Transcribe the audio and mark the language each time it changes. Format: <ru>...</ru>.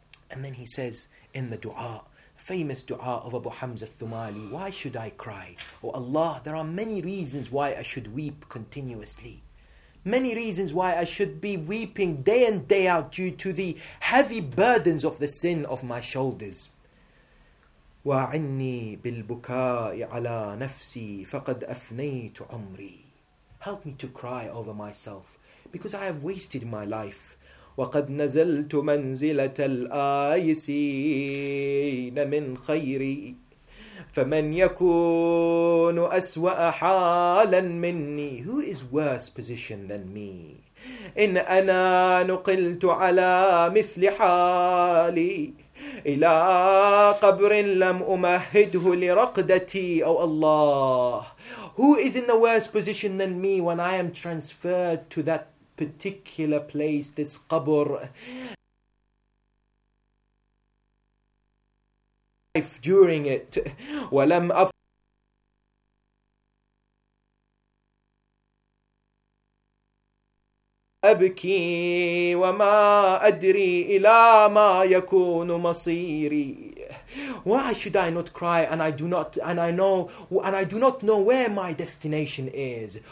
<en>And then he says in the dua, famous dua of Abu Hamza al-Thumali, why should I cry? Oh Allah, there are many reasons why I should weep continuously. Many reasons why I should be weeping day and day out due to the heavy burdens of the sin of my shoulders.</en> <ar>وَعِنِّي بِالْبُكَاءِ عَلَىٰ نَفْسِي فَقَدْ أَفْنَيْتُ عُمْرِي.</ar> <en>Help me to cry over myself, Because I have wasted my life.</en> <ar>وَقَدْ نَزَلْتُ مَنْزِلَةَ الْآيِسِينَ مِنْ خَيْرِي فَمَنْ يَكُونُ أَسْوَأَ حَالًا مِنِّي.</ar> <en>Who is worse position than me?</en> <ar>إِنْ أَنَا نُقِلْتُ عَلَى مِثْلِ حَالِي إِلَى قَبْرٍ لَمْ أُمَهِّدْهُ لِرَقْدَتِي.</ar> <en>Oh Allah, who is in a worse position than me when I am transferred to that particular place, this qabr? If during it,</en> <ar>وَلَمْ أَبْكِي وَمَا أَدْرِي إِلَى مَا يَكُونُ مَصِيرِي.</ar> <en>Why should I not cry, and I do not, and I know, and I do not know where my destination is?</en>